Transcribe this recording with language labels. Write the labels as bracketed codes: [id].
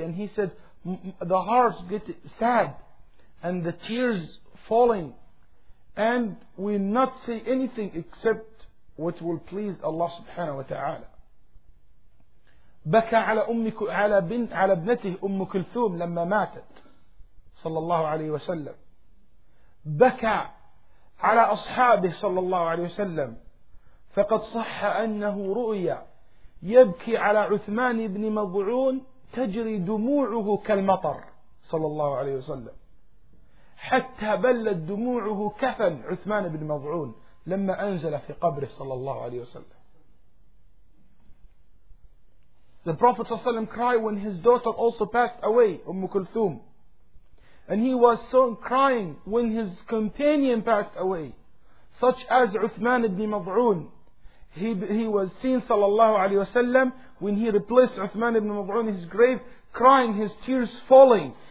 [en] And he said, the hearts get sad and the tears falling, and we not say anything except what will please Allah subhanahu wa ta'ala. [ar] بكى على أمك على بن على ابنته أم كلثوم لما ماتت صلى الله عليه وسلم. بكى على أصحابه صلى الله عليه وسلم، فقد صح أنه رؤيا يبكي على عثمان بن مضعون تجري دموعه كالمطر صلى الله عليه وسلم، حتى بلت دموعه كفن عثمان بن مضعون لما أنزل في قبره صلى الله عليه وسلم. [en] The Prophet ﷺ cried when his daughter also passed away, Umm Kulthum. And he was so crying when his companion passed away, such as Uthman ibn Mad'un. He was seen, [ar] sallallahu alayhi wa sallam, [en] when he replaced Uthman ibn Mad'un in his grave, crying, his tears falling.